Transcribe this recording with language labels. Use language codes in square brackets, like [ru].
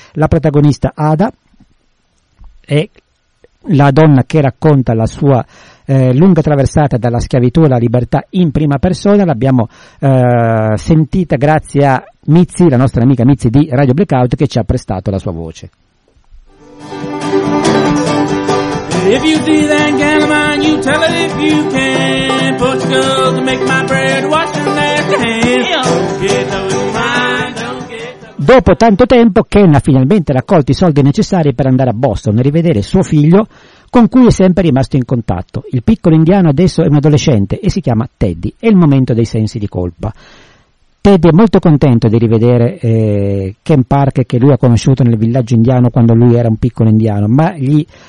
[it] La protagonista Ada è la donna che racconta la sua lunga traversata dalla schiavitù alla libertà in prima persona. L'abbiamo sentita grazie a Mizzi, la nostra amica Mizzi di Radio Blackout, che ci ha prestato la sua voce. [en] If you see that gal of mine, you tell her if you can. Portugal to make my bread, wash your nasty hands. [it] Dopo tanto tempo, Ken ha finalmente raccolto i soldi necessari per andare a Boston a rivedere suo figlio, con cui è sempre rimasto in contatto. Il piccolo indiano adesso è un adolescente e si chiama Teddy. È il momento dei sensi di colpa. Teddy è molto contento di rivedere Ken Parker, che lui ha conosciuto nel villaggio indiano quando lui era un piccolo indiano, ma gli